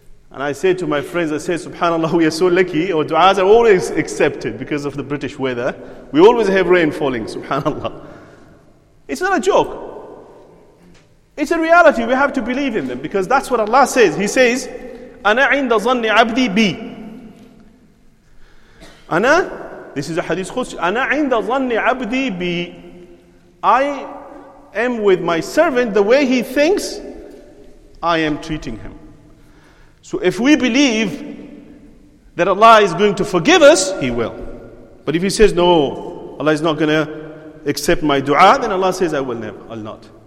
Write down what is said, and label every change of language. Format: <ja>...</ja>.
<en>And I say to my friends, I say, subhanAllah, we are so lucky, our du'as are always accepted because of the British weather. We always have rain falling, subhanAllah. It's not a joke. It's a reality. We have to believe in them, because that's what Allah says. He says,</en> <ar>أَنَا عِنْدَ ظَنِّ عَبْدِي بِي. أَنَا,</ar> <en>this is a hadith Qudsi,</en> <ar>أَنَا عِنْدَ ظَنِّ عَبْدِي بِي.</ar> <en>I am with my servant the way he thinks I am treating him. So if we believe that Allah is going to forgive us, He will. But if He says, no, Allah is not going to accept my dua, then Allah says, I will never, I'll not.</en>